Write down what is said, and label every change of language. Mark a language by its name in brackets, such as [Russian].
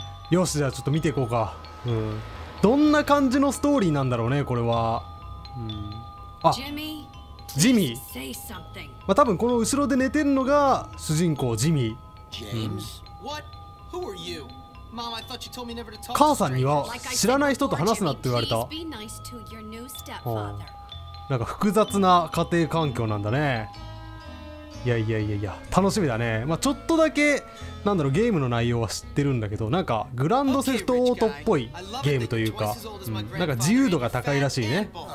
[Japanese] よし、じゃあちょっと見ていこうか。うん、どんな感じのストーリーなんだろうね、これは。うん、あ、ジミー。まあ多分この後ろで寝てるのが主人公ジミー。ジェームズ、うん、 [English] What? Who are you? Mom, I thought you told me never to talk to strangers. Like I said before, Jimmy, please be nice to your new stepfather. [Japanese] なんか複雑な家庭環境なんだね。いやいやいやいや、楽しみだね。まあちょっとだけなんだろう、ゲームの内容は知ってるんだけど、なんかグランドセフトオートっぽいゲームというか、うん、なんか自由度が高いらしいね。